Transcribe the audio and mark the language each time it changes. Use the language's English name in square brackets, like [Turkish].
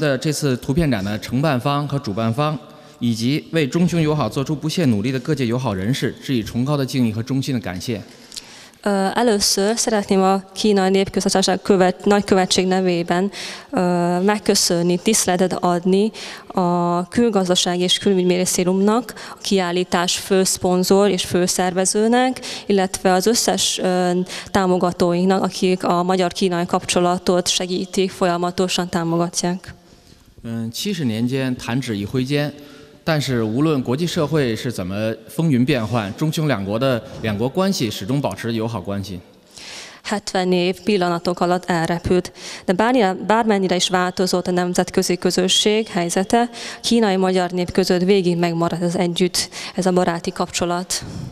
[Chinese] 首先我代表中国驻匈牙利大使馆向匈牙利外交经济部以及咱们的这次图片展的承办方和主办方 以及为中匈友好做出不懈努力的各界友好人士，致以崇高的敬意和衷心的感谢。 [Hungarian] Először szeretném a Kínai Népköztársaság nagykövetség nevében megköszönni, tiszteletet adni a külgazdaság és külügyminisztériumnak, a kiállítás főszponzor és főszervezőnek, illetve az összes támogatóinknak, akik a magyar-kínai kapcsolatot segítik, folyamatosan támogatják. [Chinese] 70年间弹指一挥间 但是无论国际社会是怎么风云变幻，中匈两国的两国关系始终保持友好关系。 [Hungarian] 70 év pillanatok alatt elrepült, de bármennyire is változott a nemzetközi közösség helyzete, kínai magyar nép között végig megmaradt az együtt ez a baráti kapcsolat.